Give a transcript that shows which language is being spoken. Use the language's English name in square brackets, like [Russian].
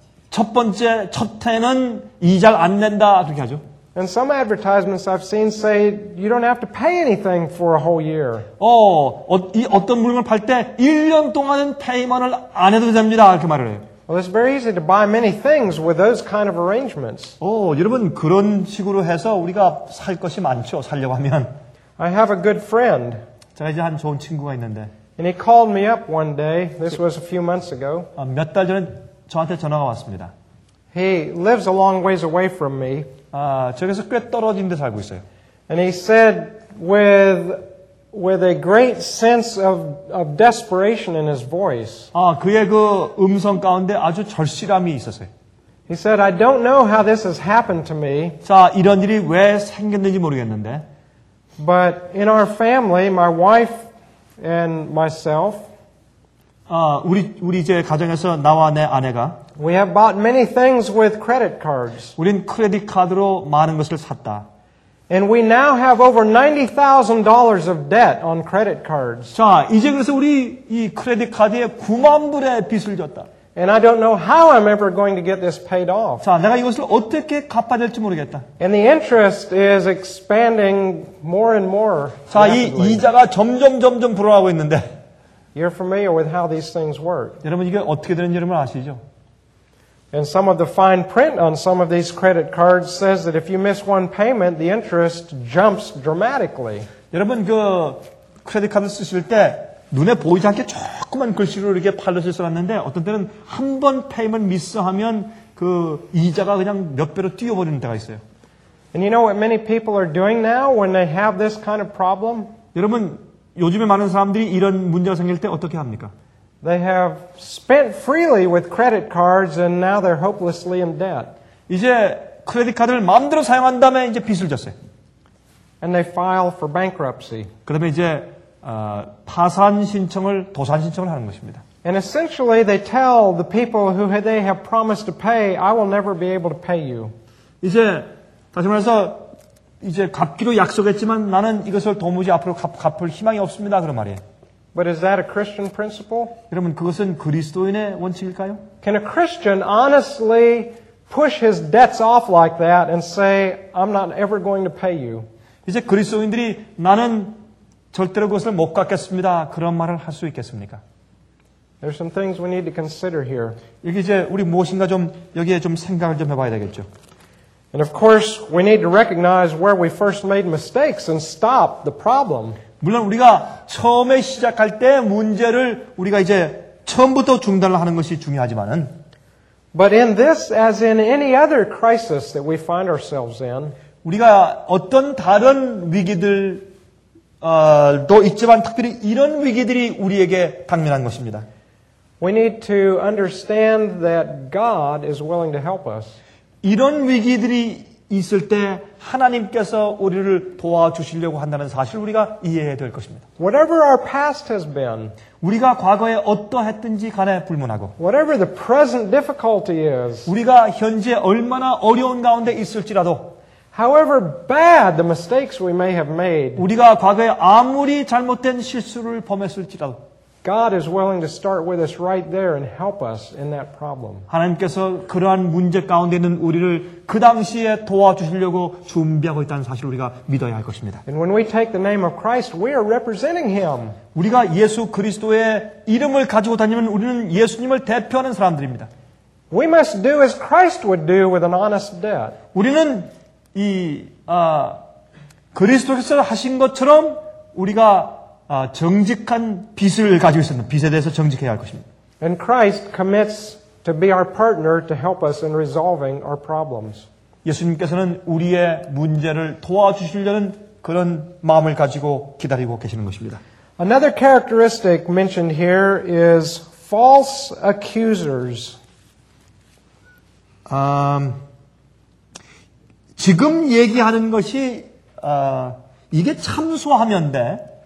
[Korean] 첫 번째 첫 해는 이자를 안 낸다 그렇게 하죠. [English] And some advertisements I've seen say you don't have to pay anything for a whole year. [Korean] 어떤 물건을 팔 때 1년 동안은 페이먼을 안 해도 됩니다. 이렇게 말을 해요. [English] Well, it's very easy to buy many things with those kind of arrangements. [Korean] 여러분 그런 식으로 해서 우리가 살 것이 많죠. 살려고 하면. [English] I have a good friend. [Korean] 제가 이제 한 좋은 친구가 있는데. [English] And he called me up one day. This was a few months ago. [Korean] 몇 달 전에 저한테 전화가 왔습니다. [English] He lives a long ways away from me. [Korean] 저기서 꽤 떨어진 데 살고 있어요. [English] And he said with a great sense of desperation in his voice. [Korean] 그의 그 음성 가운데 아주 절실함이 있었어요. [English] He said I don't know how this has happened to me. [Korean] 자, 이런 일이 왜 생겼는지 모르겠는데. [English] But in our family, my wife and myself [Korean] 우리 이제 가정에서 나와 내 아내가 [English] We have bought many things with credit cards. [Korean] 우린 크레딧 카드로 많은 것을 샀다. [English] And we now have over $90,000 of debt on credit cards. [Korean] 자, 이제 그래서 우리 이 크레딧 카드에 9만 불의 빚을 졌다. [English] And I don't know how I'm ever going to get this paid off. [Korean] 자, 내가 이것을 어떻게 갚아야 될지 모르겠다. [English] And the interest is expanding more and more. [Korean] 자, 이 이자가 점점 불어나고 있는데. [English] You're familiar with how these things work. [Korean] 여러분 이게 어떻게 되는지 여러분 아시죠? [English] And some of the fine print on some of these credit cards says that if you miss one payment, the interest jumps dramatically. [Korean] 여러분 그 크레딧 카드 쓰실 때 눈에 보이지 않게 조그만 글씨로 이렇게 팔러스 써놨는데 어떤 때는 한 번 페이먼트 미스하면 그 이자가 그냥 몇 배로 뛰어버리는 때가 있어요. [English] And you know what many people are doing now when they have this kind of problem? [Korean] 여러분 요즘에 많은 사람들이 이런 문제가 생길 때 어떻게 합니까? [English] They have spent freely with credit cards and now they're hopelessly in debt. [Korean] 이제 크레딧 카드를 마음대로 사용한 다음에 이제 빚을 졌어요. [English] And they file for bankruptcy. [Korean] 그러면 이제 파산 신청을 도산 신청을 하는 것입니다. [English] And essentially they tell the people who they have promised to pay, I will never be able to pay you. [Korean] 이제 다시 말해서 이제 갚기로 약속했지만 나는 이것을 도무지 앞으로 갚을 희망이 없습니다. 그런 말이에요. [English] But is that a Christian principle? [Korean] 그러면 그것은 그리스도인의 원칙일까요? [English] Can a Christian honestly push his debts off like that and say I'm not ever going to pay you? [Korean] 이제 그리스도인들이 나는 절대로 그것을 못 갚겠습니다. 그런 말을 할 수 있겠습니까? [English] There's some things we need to consider here. [Korean] 여기 이제 우리 무엇인가 좀 여기에 좀 생각을 좀 해봐야 되겠죠. [English] And of course, we need to recognize where we first made mistakes and stop the problem. [Korean] 물론 우리가 처음에 시작할 때 문제를 우리가 이제 처음부터 중단을 하는 것이 중요하지만은. [English] But in this, as in any other crisis that we find ourselves in, [Korean] 우리가 어떤 다른 위기들 또 있지만 특별히 이런 위기들이 우리에게 당면한 것입니다. [English] We need to understand that God is willing to help us. [Korean] 이런 위기들이 있을 때 하나님께서 우리를 도와주시려고 한다는 사실 우리가 이해해야 될 것입니다. [English] Whatever our past has been, [Korean] 우리가 과거에 어떠했든지 간에 불문하고, [English] whatever the present difficulty is, [Korean] 우리가 현재 얼마나 어려운 가운데 있을지라도, [English] however bad the mistakes we may have made, [Korean] 우리가 과거에 아무리 잘못된 실수를 범했을지라도, [English] God is willing to start with us right there and help us in that problem. [Korean] 하나님께서 그러한 문제 가운데 있는 우리를 그 당시에 도와주시려고 준비하고 있다는 사실 우리가 믿어야 할 것입니다. [English] And when we take the name of Christ, we are representing Him. [Korean] 우리가 예수 그리스도의 이름을 가지고 다니면 우리는 예수님을 대표하는 사람들입니다. [English] We must do as Christ would do with an honest debt. [Korean] 우리는 이 그리스도께서 하신 것처럼 우리가 정직한 빚을 가지고 있습니다. 빚에 대해서 정직해야 할 것입니다. [English] And Christ commits to be our partner to help us in resolving our problems. [Korean] 예수님께서는 우리의 문제를 도와주시려는 그런 마음을 가지고 기다리고 계시는 것입니다. [English] Another characteristic mentioned here is false accusers. [Korean] 지금 얘기하는 것이 이게 참소하면 돼.